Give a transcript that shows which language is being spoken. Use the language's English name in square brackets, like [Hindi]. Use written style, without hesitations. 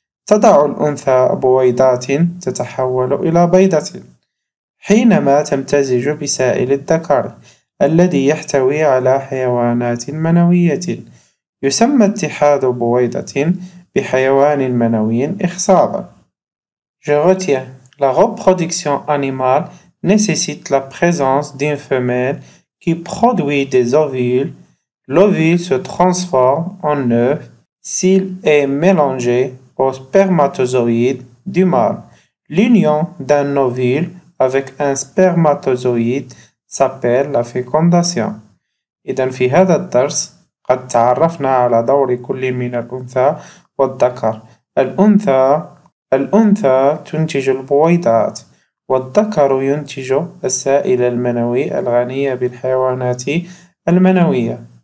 [Arabic] تضع الأنثى بويضات تتحول إلى بيضة حينما تمتزج بسائل الذكر الذي يحتوي على حيوانات منوية. يسمى اتحاد بويضة بحيوان منوي إخصابا. [French] Je retiens, la reproduction animale nécessite la présence d'une femelle qui produit des ovules. L'ovule se transforme en œuf s'il est mélangé au spermatozoïde du mâle. L'union d'un ovule avec un spermatozoïde s'appelle la fécondation. [Arabic] إذن في هذا الدرس قد تعرفنا على دور كل من الأنثى والذكر. الأنثى تنتج البويضات، والذكر ينتج السائل المنوي الغنية بالحيوانات المنوية.